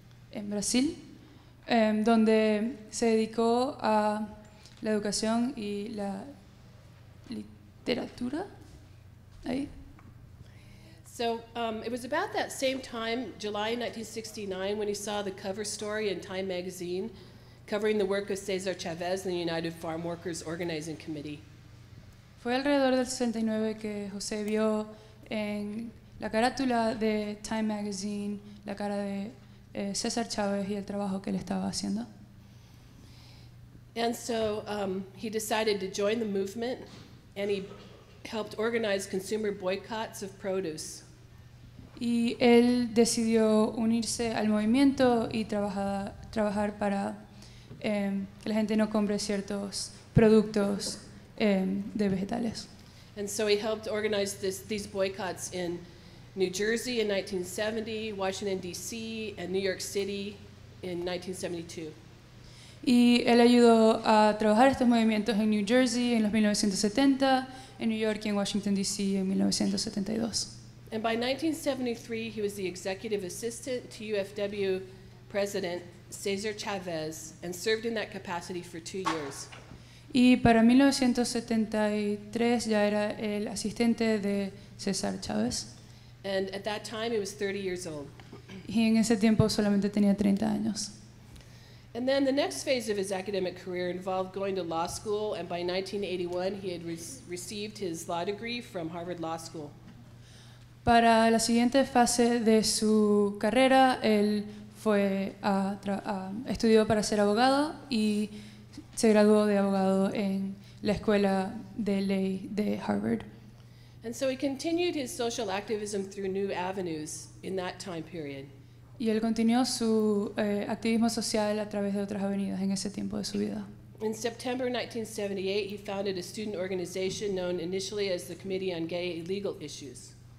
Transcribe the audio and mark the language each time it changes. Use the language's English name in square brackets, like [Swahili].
[Spanish] En Brasil, donde se dedicó a la educación y la literatura. Ahí. [English] So it was about that same time, July 1969, when he saw the cover story in Time magazine covering the work of César Chávez and the United Farmworkers Organizing Committee. [Spanish] Fue alrededor del 69 que José vio en la carátula de Time magazine la cara de César Chávez y el trabajo que él estaba haciendo. [English] And so he decided to join the movement, and he helped organize consumer boycotts of produce. [Spanish] Y él decidió unirse al movimiento y trabajar para que la gente no compre ciertos productos de vegetales. [English] And so he helped organize these boycotts in New Jersey in 1970, Washington DC, and New York City in 1972. [Spanish] Y él ayudó a trabajar estos movimientos en New Jersey en los 1970, en New York y en Washington DC en 1972. [English] And by 1973 he was the executive assistant to UFW president César Chávez and served in that capacity for 2 years. [Spanish] Y para 1973 ya era el asistente de César Chávez. [English] And at that time he was 30 years old. [Spanish] Y en ese tiempo solamente tenía 30 años. [English] And then the next phase of his academic career involved going to law school, and by 1981 he had received his law degree from Harvard Law School. [Spanish] Para la siguiente fase de su carrera, él fue estudió para ser abogado y se graduó de abogado en la escuela de ley de Harvard. [English] And so he continued his social activism through new avenues in that time period. [Spanish] Y él continuó su activismo social a través de otras avenidas en ese tiempo de su vida. [English] In September 1978, he founded a student organization known initially as the Committee on Gay and Legal Issues.